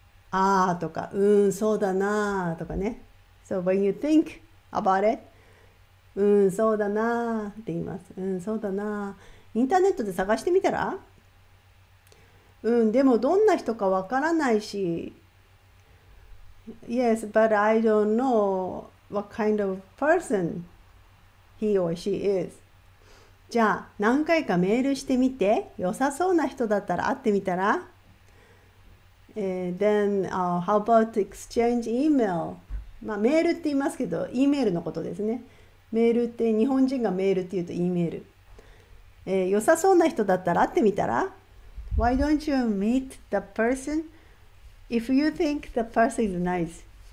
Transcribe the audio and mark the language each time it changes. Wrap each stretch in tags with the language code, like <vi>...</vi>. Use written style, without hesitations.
<ja>ああとか、そうだなーとかね。</ja> <en>So when you think about it、</en> <ja>そうだなーって言います。そうだなー。インターネットで探してみたら？でもどんな人かわからないし。</ja> <en>Yes, but I don't know what kind of person he or she is。</en> <ja>じゃあ、何回かメールしてみて、良さそうな人だったら会ってみたら？</ja> <en>Then, how about exchange email?</en> <ja>まあ、メールって言いますけど、E メールのことですね。メールって、日本人がメールって言うと E メール。良さそうな人だったら会ってみたら？</ja> <en>Why don't you meet the person if you think the person is nice?</en>